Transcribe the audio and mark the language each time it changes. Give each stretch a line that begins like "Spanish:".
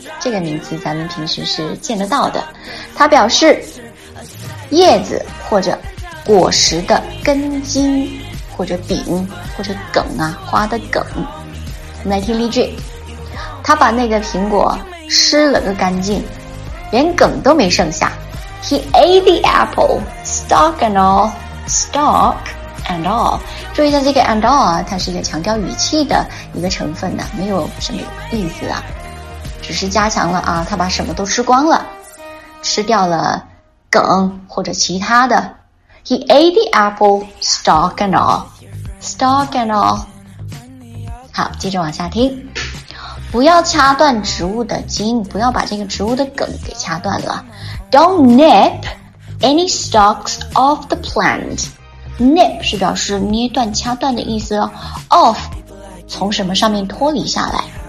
Chinese: 这个名词咱们平时是见得到的，它表示叶子或者果实的根茎或者柄或者梗啊，花的梗。来听例句，他把那个苹果吃了个干净，连梗都没剩下。
English: He ate the apple, stalk and all, stalk and all。
Chinese: 注意一下这个 and all 啊，它是一个强调语气的一个成分呢、啊，没有什么意思啊，只是加强了啊，他把什么都吃光了，吃掉了梗或者其他的。
English: He ate the apple, stalk and all, stalk and all。
Chinese: 好，接着往下听，不要掐断植物的茎，不要把这个植物的梗给掐断了。
English: Don't nip any stalks off the plant.
Chinese: Nip 是表示捏断、掐断的意思哦。Off 从什么上面脱离下来？